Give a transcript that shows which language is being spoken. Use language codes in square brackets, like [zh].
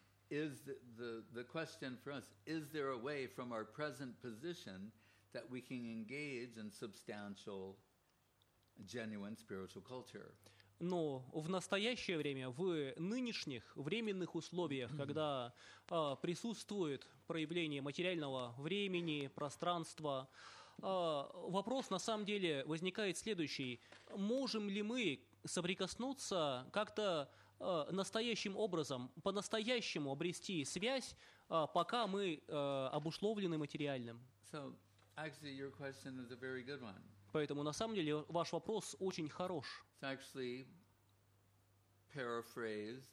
[en] is the question for us, is there a way from our present position that we can engage in substantial, genuine spiritual culture? [ru] Но в настоящее время, в нынешних временных условиях, когда присутствует проявление материального времени, пространства, вопрос на самом деле возникает следующий. Можем ли мы соприкоснуться как-то настоящим образом, по-настоящему обрести связь, пока мы обусловлены материальным? [en] So, actually, your question is a very good one. [ru] Поэтому на самом деле ваш вопрос очень хорош. [en] It's actually paraphrased.